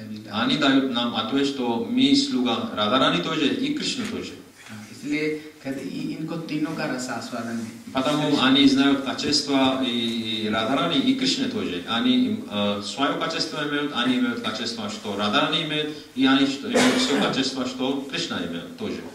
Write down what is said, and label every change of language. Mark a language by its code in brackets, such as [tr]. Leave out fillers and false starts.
[ru] Они дают нам ответ, что мы слуга Радхарани тоже и Кришна тоже. [hi] इसलिए कहते इनको तीनों का रस आस्वादन है [ru] потому они знают качество и Радхарани и Кришна тоже они своё качество имеют они имеют качество что Радхарани имеет и они имеют своё качество что Кришна имеет тоже